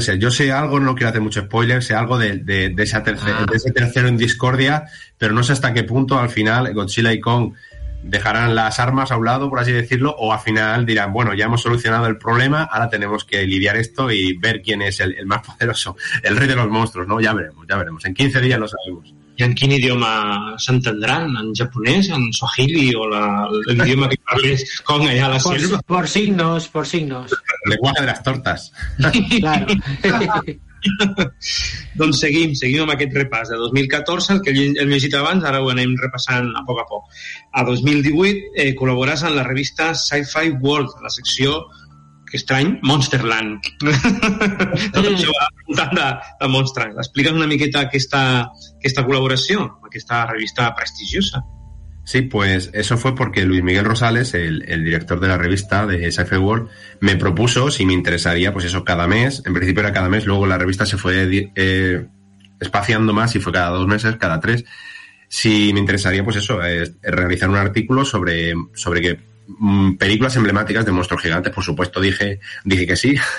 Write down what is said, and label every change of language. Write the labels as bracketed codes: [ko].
[es] Yo sé algo, no quiero hacer mucho spoiler, sé algo de ese tercero en discordia, pero no sé hasta qué punto al final Godzilla y Kong dejarán las armas a un lado, por así decirlo, o al final dirán, bueno, ya hemos solucionado el problema, ahora tenemos que lidiar esto y ver quién es el más poderoso, el rey de los monstruos, ¿no? Ya veremos. En 15 días lo sabemos. [ca] ¿Y en quin idioma s'entendran? ¿En japonès? ¿En suahili? ¿O el idioma que parles con allà a la selva? [es] Por signos. El lenguaje de las tortas. Claro. [ca] Doncs seguim amb aquest repàs. De 2014, el que hem llegit abans, ara ho anem repassant a poc a poc. A 2018 col·laboràs en la revista Sci-Fi World, a la secció, que estrany, Monsterland. Tot això va voltant de Monsterland. Explica'ns una miqueta aquesta col·laboració, aquesta revista prestigiosa. [es] Sí, pues eso fue porque Luis Miguel Rosales, el director de la revista de Sci-Fi World, me propuso si me interesaría, pues eso, cada mes. En principio era cada mes, luego la revista se fue espaciando más y fue cada dos meses, cada tres. Si me interesaría, pues eso, realizar un artículo sobre que películas emblemáticas de monstruos gigantes, por supuesto dije que sí.